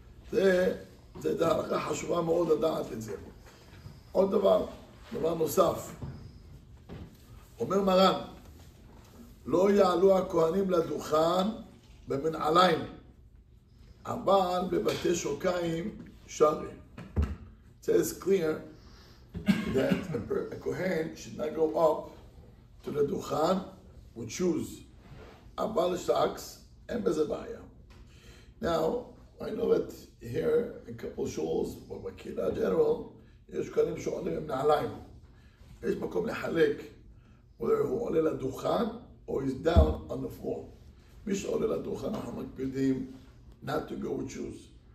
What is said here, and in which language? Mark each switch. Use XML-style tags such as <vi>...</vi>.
<he>זה הלכה חשובה מאוד לדעת את זה. עוד דבר, דבר נוסף. אומר מרן, לא יעלו הכהנים לדוכן במנעליים, אבל בבתי שוקיים שרי.</he> <en>It says clear that a Kohen should not go up to the דוכן with shoes.</en> <he>אבל שקס, אין בזה בעיה.</he> <en>Now, I know that here, a couple of shuls, but בקהילה general,</en> <he>יש כהנים שעולים במנעליים. יש מקום לחלק, whether הוא עולה לדוכן,</he> <en>or he's down on the floor.</en> <he>מי שעולה לדוכן, אנחנו מקפידים</he> <en>not to go with shoes.</en>